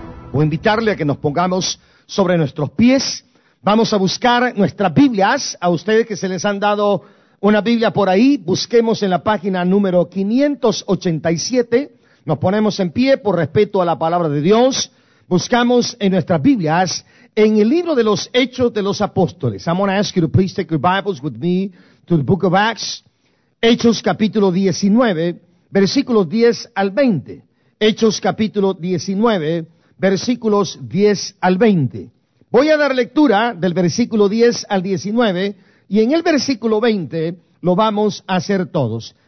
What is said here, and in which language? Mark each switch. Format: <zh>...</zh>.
<es>Voy a invitarle a que nos pongamos sobre nuestros pies. Vamos a buscar nuestras Biblias. A ustedes que se les han dado una Biblia por ahí, busquemos en la página número 587. Nos ponemos en pie por respeto a la Palabra de Dios. Buscamos en nuestras Biblias, en el libro de los Hechos de los Apóstoles.</es> <en>I'm going to ask you to please take your Bibles with me to the book of Acts.</en> <es>Hechos capítulo 19, versículos 10 al 20. Hechos capítulo 19, versículos 10 al 20. Voy a dar lectura del versículo 10 al 19, y en el versículo 20 lo vamos a hacer todos.</es>